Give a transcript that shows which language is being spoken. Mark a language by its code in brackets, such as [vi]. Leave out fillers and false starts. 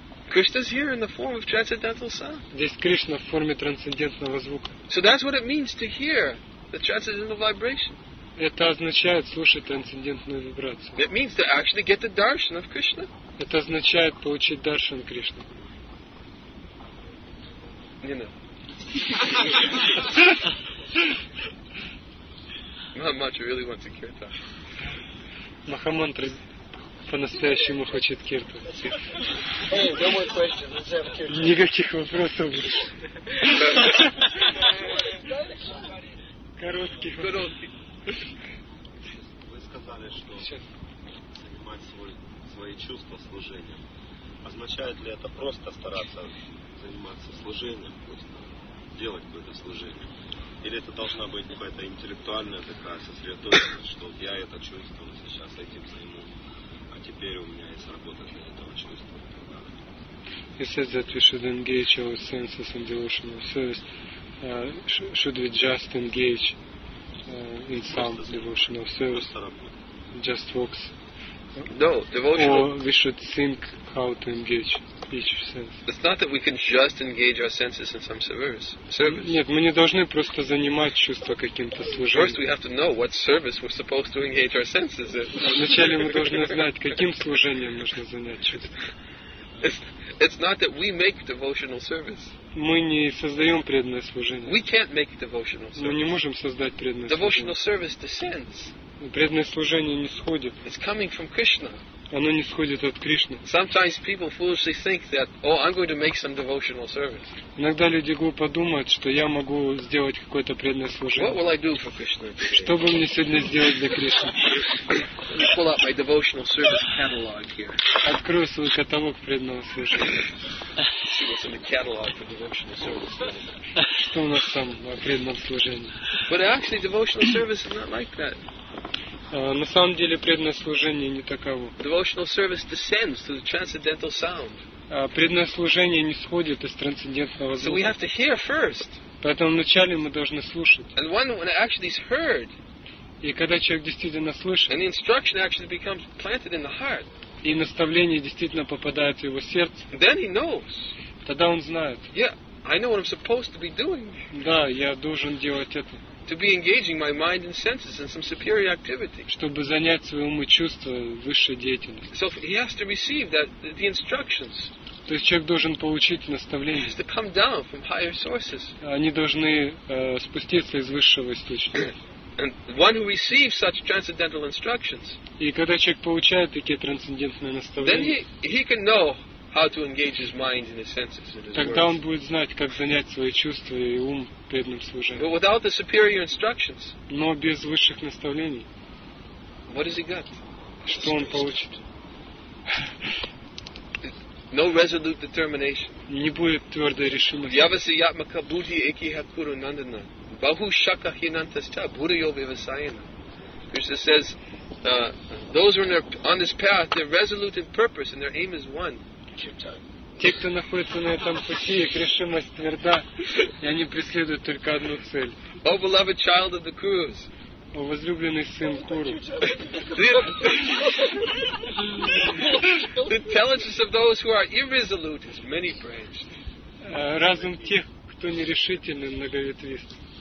[en] Krishna's here in the form of transcendental sound. [ru] Здесь Кришна в форме трансцендентного звука. [en] So that's what it means to hear the transcendental vibration. [ru] Это означает слушать трансцендентную вибрацию. [en] It means to actually get the darshan of Krishna. [ru] Это означает получить даршан Кришны. [en] You know. Махамантра really wants a kirtan. [ru] Махамантра по-настоящему хочет киртан. [en] Hey, no more questions. Let's have kirtan. [ru] Никаких вопросов больше. Короткий. Вы сказали, что занимать свои чувства служением. Означает ли это просто стараться заниматься служением? Делать какое-то служение. Или это должна быть какая-то интеллектуальная такая сосредоточенность, что я это чувствую, сейчас этим займусь, а теперь у меня есть работа для этого чувства. [en] He says that we should engage our senses in devotional service. Should we just engage in some devotional service? Just works. No, devotional. Or we should think how to engage each sense. It's not that we can just engage our senses in some service. [ru] Нет, мы не должны просто занимать чувства каким-то служением. [en] First, we have to know what service we're supposed to engage our senses in. [ru] Вначале мы должны знать, каким служением нужно занять чувства. [en] It's not that we make devotional service. [ru] Мы не создаем преданное служение. [en] We can't make devotional service. [ru] Мы не можем создать преданное служение. [en] Devotional service descends. [ru] Преданное служение не сходит. [en] It's coming from Krishna. [ru] Оно не сходит от Кришны. [en] Sometimes people foolishly think that, oh, I'm going to make some devotional service. [ru] Иногда люди глупо думают, что я могу сделать какое-то преданное служение. [en] What will I do for Krishna? [ru] Что бы мне сегодня сделать для Кришны? [en] I'll pull out my devotional service catalog here. [ru] Открою свой каталог преданного служения. [en] See what's in the catalog for devotional service. [ru] Что у нас там о преданном служении? [en] But actually, devotional service is not like that. [ru] На самом деле преданное служение не таково. [en] Devotional service descends through the transcendental sound. [ru] Преданное служение не сходит из трансцендентного звука. [en] So we have to hear first. [ru] Поэтому вначале мы должны слушать. [en] And one when it actually is heard. [ru] И когда человек действительно слышит. [en] And the instruction actually becomes planted in the heart. [ru] И наставление действительно попадает в его сердце. [en] Then he knows. [ru] Тогда он знает. [en] Yeah, I know what I'm supposed to be doing. [ru] Да, я должен делать это. [en] To be engaging my mind and senses in some superior activity. [ru] Чтобы занять свои умы чувства высшей деятельностью. [en] So he has to receive that the instructions. [ru] То есть человек должен получить наставление. [en] He has to come down from higher sources. [ru] Они должны спуститься из высшего источника. [en] And one who receives such transcendental instructions. [ru] И когда человек получает такие трансцендентные наставления. [en] Then he can know how to engage his mind and his senses. [ru] Тогда он будет знать, как занять свои чувства и ум преданным служением. [en] But without the superior instructions. [ru] Но без высших наставлений. [en] What does he get? [ru] Что он получит? [en] No resolute determination. [ru] Не будет твердой решимости. [sa] Явасы ятмака бути экиха куру нандана. Баху шака хинантаста бурайо вивасайана. [en] Krishna says, those who are on this path, they're resolute in purpose and their aim is one. [ru] Те, кто находится на этом пути, их решимость тверда, и они преследуют только одну цель. [en] Oh, beloved child of the Kurus. [ru] О, возлюбленный сын Куру. [en] The intelligence of those who are irresolute is many-branched. [ru] Разум тех, кто нерешительный, многоветвист.